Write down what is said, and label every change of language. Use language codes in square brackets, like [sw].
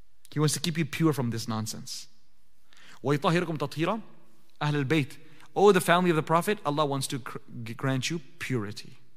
[en] He wants to keep you pure from this nonsense. [ar] ويطهركم تطهيرا أهل البيت. [en] Oh, the family of the Prophet, Allah wants to grant you purity.